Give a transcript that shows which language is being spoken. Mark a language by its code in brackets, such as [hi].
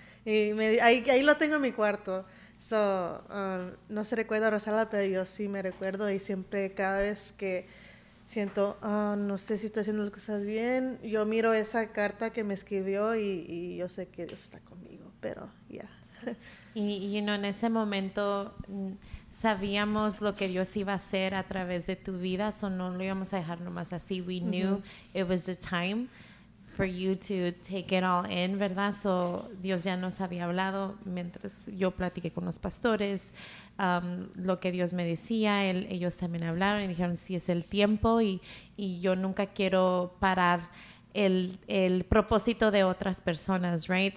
[es] Y ahí lo tengo en mi cuarto. So, no se recuerda Rosalba, pero yo sí me recuerdo y siempre, cada vez que siento, no sé si estoy haciendo las cosas bien, yo miro esa carta que me escribió y yo sé que Dios está conmigo, pero ya. [en] Yeah. [es] Y, [en] you know, [es] en ese momento sabíamos lo que Dios iba a hacer a través de tu vida, so no lo íbamos a dejar nomás así. [en] We knew it was the time for you to take it all in, [es] ¿verdad? So Dios ya nos había hablado mientras yo platiqué con los pastores, lo que Dios me decía, ellos también hablaron y dijeron, sí, es el tiempo y yo nunca quiero parar el propósito de otras personas, right?